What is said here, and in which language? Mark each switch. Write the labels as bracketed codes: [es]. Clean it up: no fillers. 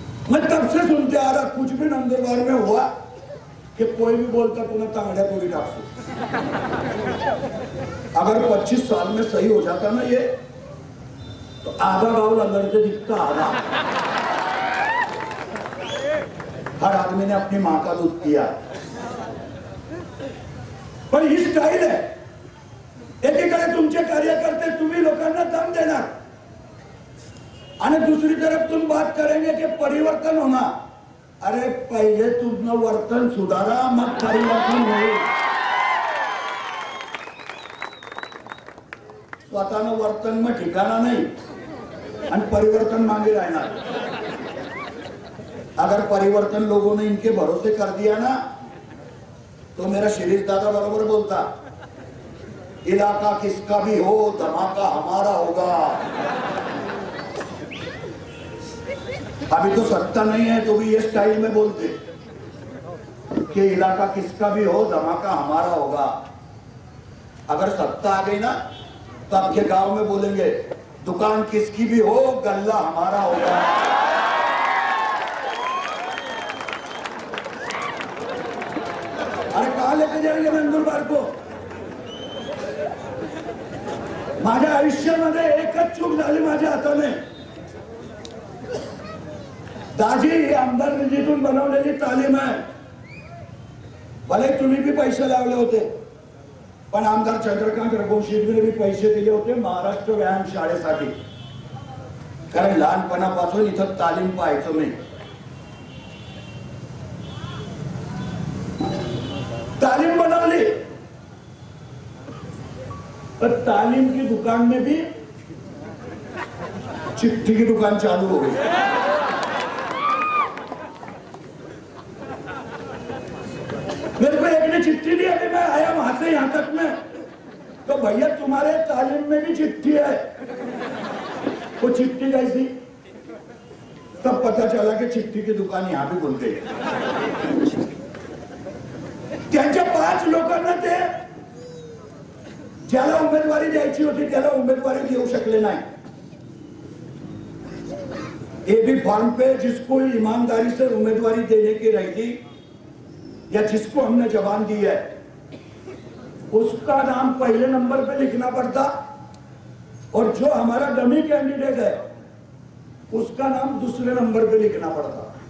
[hi] मैं तब से सुनते आ रहा, कुछ भी नंदुरबार में हुआ कि कोई भी बोलता पुनः तांगड़े को भी डाक। अगर 25 साल में सही हो जाता ना ये, तो आधा गांव अंदर से दिखता आधा। हर आदमी ने अपनी मां का दूध पिया। पर ये स्टाइल है, [mr] एकीकडे तुमचे कार्यकर्ते तुम्ही लोकांना दम देणार, आणि [hi] दुसरी तरफ तुम बात करेंगे कि परिवर्तन होना। [mr] अरे पहिले तुझं वर्तन सुधारा, मग परिवर्तन होईल। स्वतःनं वर्तन मग ठिकाणा नाही, आणि परिवर्तन मागे राहणार। [hi] अगर परिवर्तन लोगों ने इनके भरोसे कर दिया ना, तो मेरा शिरीष दादा बरोबर बोलता, इलाका किसका भी हो, धमाका हमारा होगा। अभी तो सत्ता नहीं है तो भी ये स्टाइल में बोलते कि इलाका किसका भी हो, धमाका हमारा होगा। अगर सत्ता आ गई ना, तो आपके गांव में बोलेंगे, दुकान किसकी भी हो, गल्ला हमारा होगा। अरे कहां लेके जाएंगे नंदुरबार को? [mr] माझ्या आयुष्यामध्ये एकच चूक झाली माझ्या हाताने, दाजी आमदार निधीतून बनवलेली तालीम आहे। भले तुम्ही भी पैसे लावले होते, पण आमदार चंद्रकांत रघुवंशी भी पैसे दिले होते महाराष्ट्र व्यायाम शाळेसाठी, कारण लहानपणापासून इथं तालीम पाहायचो मी। [hi] तालीम बनवली, पर तालीम की दुकान में भी चिट्ठी की दुकान चालू हो गई। मेरे को एक ने चिट्ठी दी, अभी मैं आया वहां से यहां तक में, तो भैया तुम्हारे तालीम में भी चिट्ठी है। वो चिट्ठी कैसी? तब पता चला कि चिट्ठी की दुकान यहां भी खुल गई। [mr] त्यांच्या 5 लोकांना ते ज्याला उमेदवारी द्यायची होती त्याला उमेदवारी देऊ शकले नाही। [hi] ए बी फॉर्म पे जिसको ईमानदारी से उमेदवारी देने की रहती, या जिसको हमने जवान दी है, उसका नाम पहले नंबर पे लिखना पड़ता, और जो हमारा डमी कैंडिडेट है उसका नाम दूसरे नंबर पे लिखना पड़ता।